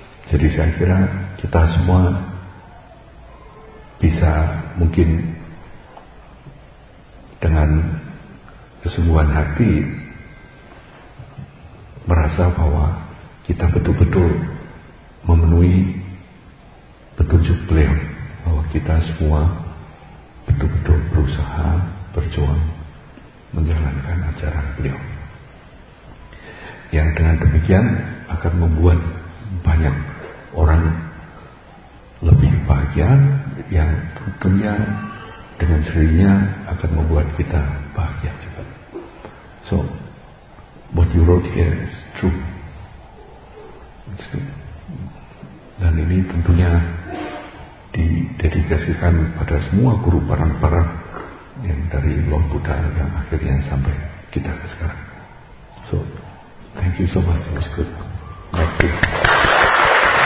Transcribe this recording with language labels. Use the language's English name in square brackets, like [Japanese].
[Indonesian] Jadi saya kira kita semua bisa mungkin dengan kesungguhan hati merasa bahwa kita betul-betul memenuhi petunjuk beliau, bahwa kita semua betul-betul berusaha, berjuang menjalankan ajaran beliau. Yang dengan demikian akan membuat banyak orang lebih bahagia, yang tentunya dengan sendirinya akan membuat kita bahagia juga. [English] So, what you wrote here is true. [Indonesian] Dan ini tentunya didedikasikan pada semua guru parampara yang dari Long Buddha yang akhirnya sampai kita ke sekarang. [English] So, thank you so much. It was good. Thank you.